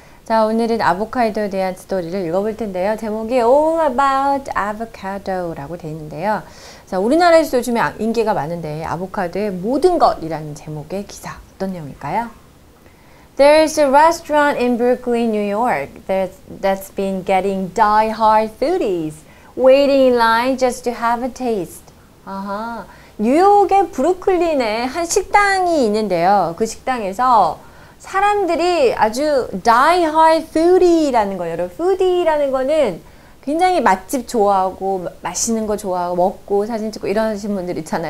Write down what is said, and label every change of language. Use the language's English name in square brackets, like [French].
[Korean] 자, 오늘은 아보카도에 대한 스토리를 읽어볼 텐데요. 제목이 All About Avocado라고 되어 있는데요. 자, 우리나라에서도 요즘에 인기가 많은데 아보카도의 모든 것이라는 제목의 기사 어떤 내용일까요? [English] There is a restaurant in Brooklyn, New York that's been getting die-hard foodies waiting in line just to have a taste. [Korean] 아하. 뉴욕의 브루클린에 한 식당이 있는데요. 그 식당에서 사람들이 아주 die-hard foodie라는 거예요. 여러분, foodie라는 거는 굉장히 맛집 좋아하고 맛있는 거 좋아하고 먹고 사진 찍고 이러신 분들 있잖아요.